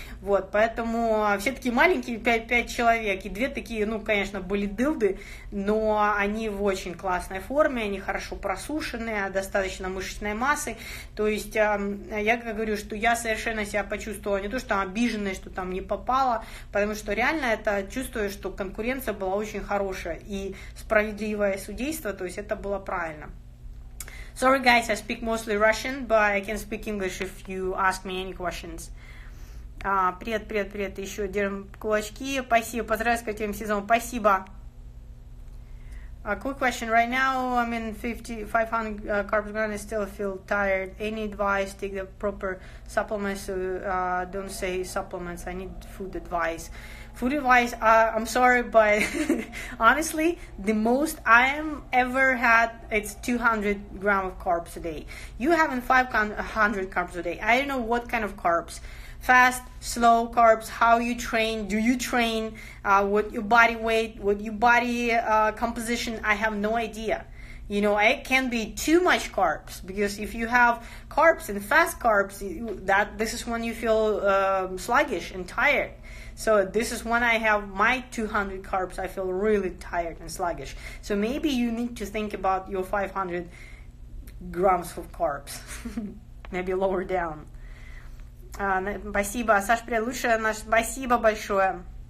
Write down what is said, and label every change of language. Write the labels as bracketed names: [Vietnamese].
[Russian] Вот, поэтому все такие маленькие 5 человек, и 2 такие, ну, конечно, были дылды, но они в очень классной форме, они хорошо просушенные, достаточно мышечной массы, то есть я говорю, что я совершенно себя почувствовала, не то, что там обиженная, что там не попала, потому что реально это чувствую, что конкуренция была очень хорошая и справедливое судейство, то есть это было правильно. [English] Sorry guys, I speak mostly Russian, but I can speak English if you ask me any questions. [Russian] Привет, еще держим кулачки. Спасибо, поздравляю с этим сезоном, спасибо. [English] A quick question, right now I'm in 500 carbs gram, I still feel tired. Any advice, take the proper supplements, don't say supplements, I need food advice. Food advice, I'm sorry, but honestly, the most I am ever had, it's 200 grams of carbs a day. You having 500 carbs a day, I don't know what kind of carbs. Fast, slow carbs, how you train, do you train, what your body weight, what your body composition, I have no idea. You know, it can be too much carbs, because if you have carbs and fast carbs, this is when you feel sluggish and tired. So this is when I have my 200 carbs, I feel really tired and sluggish. So maybe you need to think about your 500 grams of carbs, maybe lower down. [Russian] Спасибо, Саш, привет, лучшее наше, спасибо большое.